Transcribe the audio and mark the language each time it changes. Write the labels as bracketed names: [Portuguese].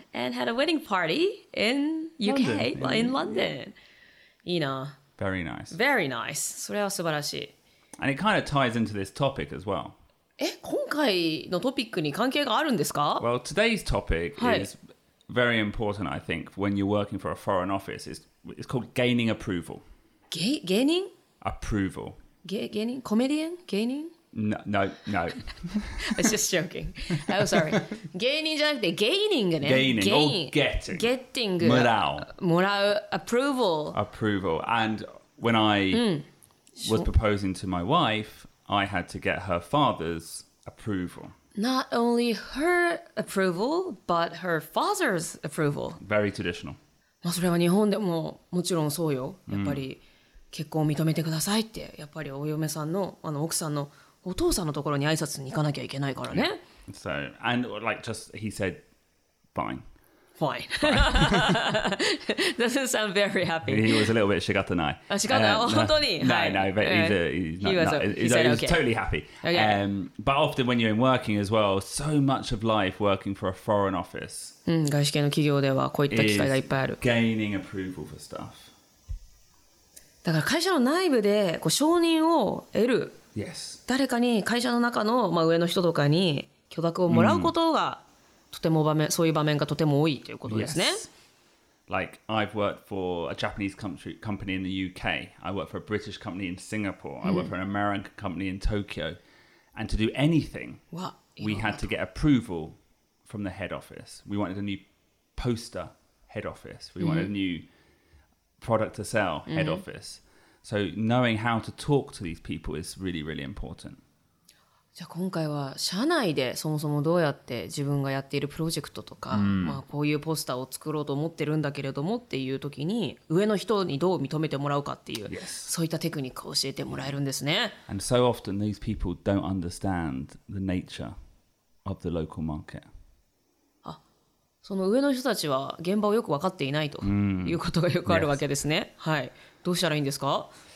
[English] And had a wedding party in UK, in London. You know. Very nice. Very nice. [Japanese] それは素晴らしい。 [English] And it kind of ties into this topic as well. [Japanese] 今回のトピックに関係があるんですか? [English] Well, today's topic is very important, I think, when you're working for a foreign office. It's called gaining approval. Gaining? Approval. Gaining? Comedian? Gaining? No. I was just joking. Oh, sorry. Gaining [Japanese] じゃなくて [English] gaining ね。 Gaining or getting. Getting. [Japanese] もらう。もらう。Approval. [English] Approval. And when I was proposing to my wife, I had to get her father's approval. Not only her approval, but her father's approval. Very traditional. [Japanese] まあそれは日本でももちろんそうよ。やっぱり。結婚を認めてくださいってやっぱりお嫁さんの、あの奥さんのお父さんのところに挨拶に行かなきゃいけないからね。 [English] So, and like just, he said, fine. Fine. Doesn't sound very happy. He was a little bit shigatanai. [Japanese] あ、shigatanai? 本当に? [English] No, but he's totally happy. Okay. But often when you're in working as well, so much of life working for a foreign office is gaining approval for stuff. [Japanese] だから会社の内部でこう承認を得る、 [English] yes. [Japanese] 誰かに会社の中の、まあ、上の人とかに許諾をもらうことがとても場面、そういう場面がとても多いということですね。 [English] Like, I've worked for a Japanese company in the UK. I worked for a British company in Singapore. I worked for an American company in Tokyo. And to do anything, we had to get approval from the head office. We wanted a new poster head office. We wanted a newproduct to sell head office. So knowing how to talk to these people is really, really important. [Japanese] じゃあ今回は社内でそもそもどうやって自分がやっているプロジェクトとか、まあこういうポスターを作ろうと思ってるんだけれどもっていう時に上の人にどう認めてもらうかっていう、そういったテクニックを教えてもらえるんですね。 [English] And so often these people don't understand the nature of the local market. [Japanese] その上の人たちは現場をよく分かっていないということがよくあるわけですね。はい。どうしたらいいんですか?